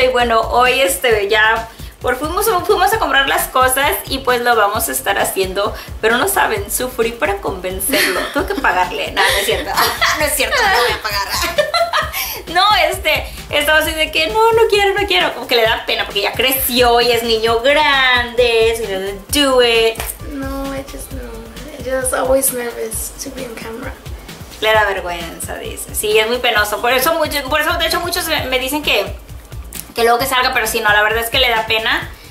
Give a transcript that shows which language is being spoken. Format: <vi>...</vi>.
<es>Y bueno, hoy ya por fin fuimos a comprar las cosas y pues lo vamos a estar haciendo. Pero no saben, sufrí para convencerlo. Tengo que pagarle. No, no es cierto. No es cierto, no voy a pagar. No, estaba así de que no, no quiero, no quiero. Como que le da pena porque ya creció y es niño grande.</es> <en>So he doesn't do it. No, just always nervous to be on camera.</en> <es>Le da vergüenza, dice. Sí, es muy penoso. Por eso de hecho muchos me dicen que luego que salga, pero si no, la verdad es que le da pena.</es>